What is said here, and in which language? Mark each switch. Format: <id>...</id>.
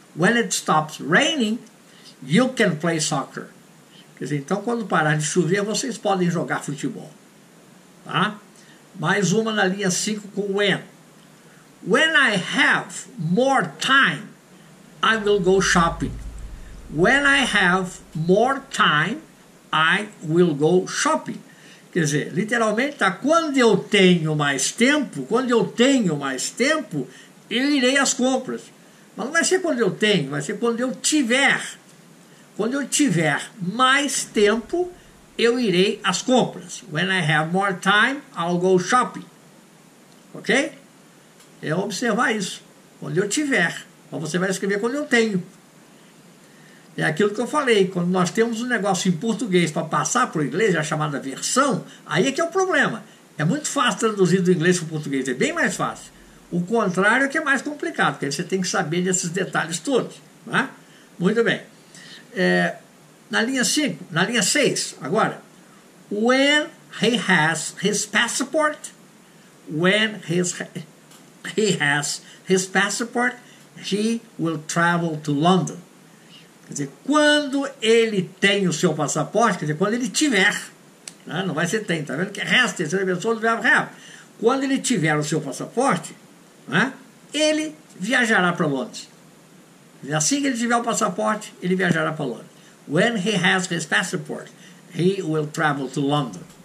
<en>When it stops raining, you can play soccer.</en> <pt>Quer dizer, então, quando parar de chover, vocês podem jogar futebol. Tá? Mais uma na linha 5 com when.</pt> <en>When I have more time, I will go shopping. When I have more time, I will go shopping.</en> <pt>Quer dizer, literalmente, tá? Quando eu tenho mais tempo, eu irei às compras. Mas não vai ser quando eu tenho, vai ser quando eu tiver. Quando eu tiver mais tempo, eu irei às compras.</pt> <en>When I have more time, I'll go shopping.</en> <pt>Ok? É observar isso. Quando eu tiver. Mas você vai escrever quando eu tenho. É aquilo que eu falei. Quando nós temos um negócio em português para passar para o inglês, é a chamada versão, aí é que é o problema. É muito fácil traduzir do inglês para o português. É bem mais fácil. O contrário é que é mais complicado, porque aí você tem que saber desses detalhes todos. Né? Muito bem. É, na linha 5, na linha 6, agora.</pt> <en>When he has his passport, he will travel to London.</en> <pt>Quer dizer, quando ele tem o seu passaporte, quer dizer, quando ele tiver, né? Não vai ser tem, tá vendo? Que resta, terceira pessoa do verbo have. Quando ele tiver o seu passaporte, né? Ele viajará para Londres. Assim que ele tiver o passaporte, ele viajará para Londres.</pt> <en>When he has his passport, he will travel to London.</en>